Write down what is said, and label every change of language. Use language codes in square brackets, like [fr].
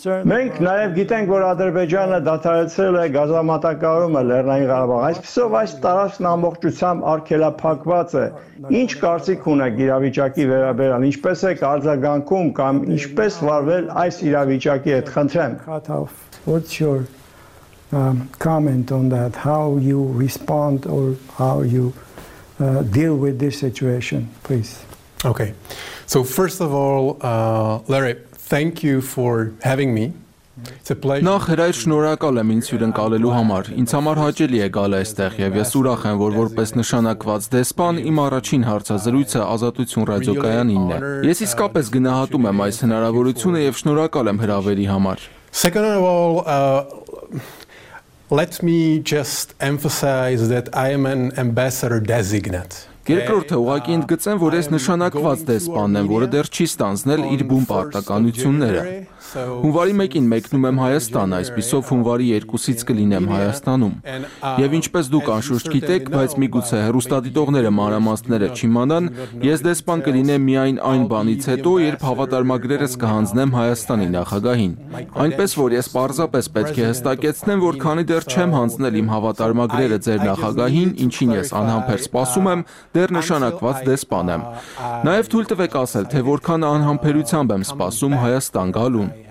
[hy] Մենք նաև գիտենք, որ Ադրբեջանը դադարեցրել է գազամատակարարումը Լեռնային Ղարաբաղ, այսպիսով այս տարածքն ամբողջությամբ արգելափակված է։ Ինչ կարծիք ունեք իրավիճակի վերաբերյալ, ինչպես եք արձագանքում կամ ինչպես վարվել այս իրավիճակի հետ, խնդրեմ։ [en] What's your comment on that? How you respond or how you deal with this situation, please? Okay. So first of all, Larry, thank you for having me. [hy] Նախ հրայր շնորհակալ եմ ինձ հյուրընկալելու համար։ Ինձ համար հաճելի է գալ այստեղ եւ ես ուրախ եմ, որ որպես նշանակված դեսպան իմ առաջին հարցազրույցը Ազատություն ռադիոկայանինն է։ Ես իսկապես գնահատում եմ այս հնարավորությունը եւ շնորհակալ եմ հրավերի համար։ [en] Second of all, let me just emphasize that I am an ambassador designate. [hy] Երկրորդը, ուղղակի ընդգծեմ, որ ես նշանակված դեսպան եմ, որը դեռ չի ստանձնել իր բուն պարտականությունները։ Հունվարի 1-ին մեկնում եմ Հայաստան, այսպիսով հունվարի 2-ից կլինեմ Հայաստանում։ Եվ ինչպես դուք անշուշտ գիտեք, բայց միգուցե հեռուստադիտողները մանրամասները չիմանան, ես դեսպան կլինեմ միայն այն բանից հետո, երբ հավատարմագրերս կհանձնեմ Հայաստանի նախագահին։ Այնպես որ ես պարզապես պետք է հստակեցնեմ, որ քանի դեռ չեմ հանձնել իմ հավատարմագրերը ձեր նախագահին, ինչին ես անհամբեր սպասում եմ, դեռ նշանակված դեսպան եմ։ Նաև թույլ տվեք ասել, թե որքան անհամբերությամբ եմ սպասում Հայաստան գալու։